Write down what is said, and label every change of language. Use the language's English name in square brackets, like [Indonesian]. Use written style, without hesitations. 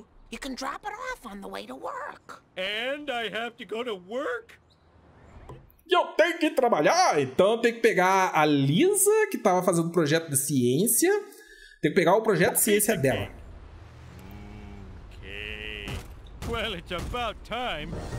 [English] You can drop it off on the way to work. And I have to go to work? [Portuguese] E eu tenho que trabalhar? Então eu tenho que pegar a Lisa, que tava fazendo um projeto de ciência. Tenho que pegar o projeto de ciência dela. [English] Okay. Well, it's about time.